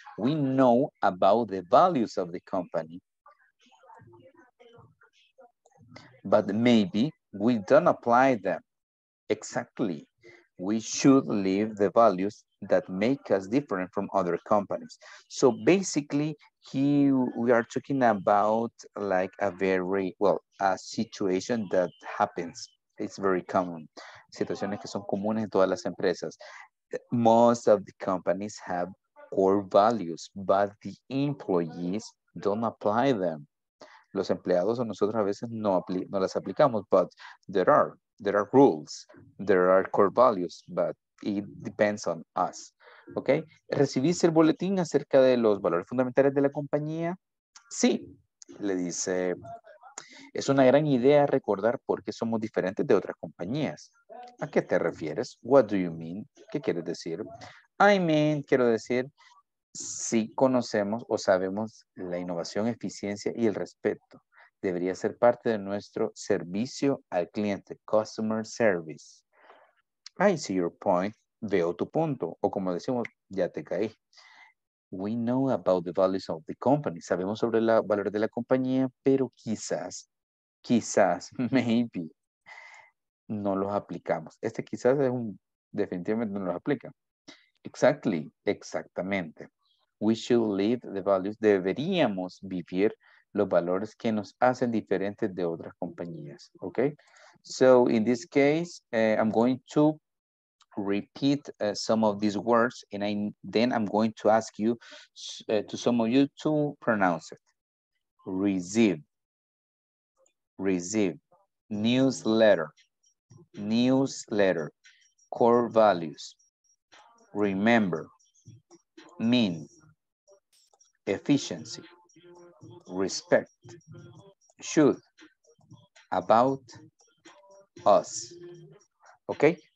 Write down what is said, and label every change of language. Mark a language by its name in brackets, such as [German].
[English] We know about the values of the company, but maybe we don't apply them. Exactly, we should leave the values that make us different from other companies. So basically, we are talking about like a very, well, a situation that happens. It's very common. [Spanish] Situaciones que son comunes en todas las empresas. [English] Most of the companies have core values, but the employees don't apply them. [Spanish] Los empleados o nosotros a veces no las aplicamos, [English] but there are rules, there are core values, but it depends on us. Okay. [Spanish] ¿Recibiste el boletín acerca de los valores fundamentales de la compañía? Sí, le dice, es una gran idea recordar por qué somos diferentes de otras compañías. ¿A qué te refieres? [English] What do you mean? [Spanish] ¿Qué quieres decir? [English] I mean, [Spanish] quiero decir, si conocemos o sabemos la innovación, eficiencia y el respeto, debería ser parte de nuestro servicio al cliente, customer service. [English] I see your point. [Spanish] Veo tu punto, o como decimos, ya te caí. [English] We know about the values of the company. [Spanish] Sabemos sobre el valor de la compañía, pero quizás, maybe, no los aplicamos. Este quizás es definitivamente no los aplica. Exactly, exactamente. [English] We should live the values. [Spanish] Deberíamos vivir los valores que nos hacen diferentes de otras compañías. [English] Okay? So, in this case, I'm going to repeat some of these words, and then I'm going to ask you to some of you to pronounce it. Receive, newsletter, core values, remember, mean, efficiency, respect, should, about, us. Okay.